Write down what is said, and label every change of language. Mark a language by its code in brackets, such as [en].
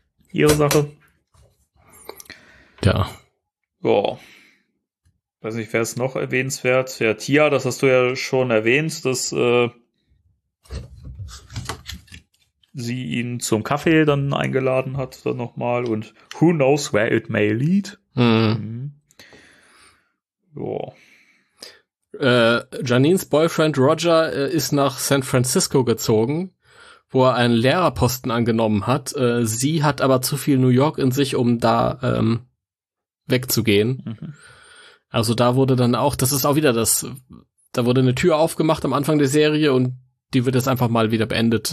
[de] Ihre Sache. Ja. Boah. Weiß nicht, wer ist noch erwähnenswert? Ja, Tia, das hast du ja schon erwähnt, dass sie ihn zum Kaffee dann eingeladen hat, dann nochmal. [en] Und who knows where it may lead. [de] Boah. Janines Boyfriend Roger ist nach San Francisco gezogen, wo er einen Lehrerposten angenommen hat. Sie hat aber zu viel New York in sich, um da wegzugehen. Mhm. Also da wurde dann auch, das ist auch wieder das, da wurde eine Tür aufgemacht am Anfang der Serie und die wird jetzt einfach mal wieder beendet.